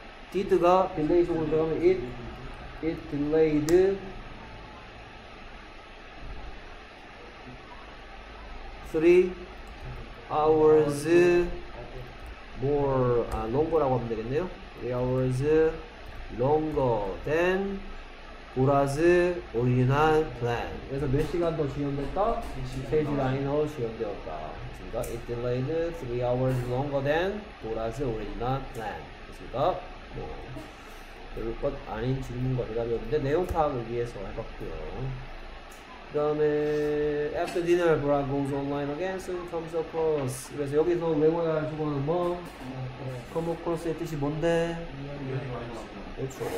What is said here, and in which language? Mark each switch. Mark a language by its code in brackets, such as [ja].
[ko] did가 delay 속으로 들어가면 [en] it delayed three hours longer [ko] 라고 하면 되겠네요. [en] three hours longer than Bora's original plan. [ko] 그래서 몇 시간 더 지연됐다? 3시간이나 지연되었다. 그러니까 [en] it delayed three hours longer than Bora's original plan. [ko] 그러니까 뭐 별 것 아닌 질문과 대답이었는데 내용 파악을 위해서 해봤고요. 그다음에 [en] after dinner, Bora goes online again. Soon comes across. [ko] 그래서 여기서 외워야 할 주어는 뭐? Come across의 뜻이 뭔데? 그렇죠.